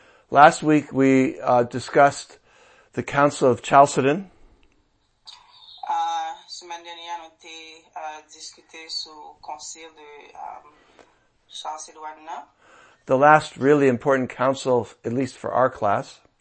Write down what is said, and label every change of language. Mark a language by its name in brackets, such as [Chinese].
[English] Last week we discussed the Council of Chalcedon. [French] Semaine dernière, on était discuté sur le conseil de Chalcédoine. [English] The last really important council, at least for our class.